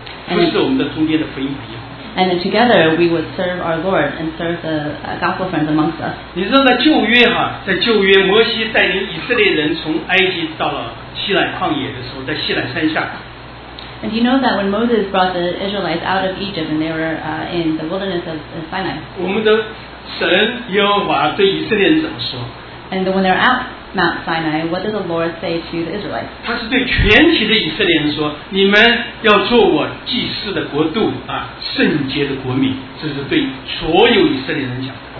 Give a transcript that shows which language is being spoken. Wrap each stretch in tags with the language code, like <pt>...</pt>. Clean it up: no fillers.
<en>And then together we would serve our Lord and serve the gospel friends amongst us.</en> <zh>你知道在旧约哈，在旧约摩西带领以色列人从埃及到了西乃旷野的时候，在西乃山下。</zh> <en>And you know that when Moses brought the Israelites out of Egypt and they were in the wilderness of Sinai.</en> <zh>我们的神耶和华对以色列人怎么说？</zh> <en>And when they're out Mount Sinai, what did the Lord say to the Israelites?</en> <zh>他是对全体的以色列人说，你们要做我祭司的国度啊，圣洁的国民，这是对所有以色列人讲的。</zh>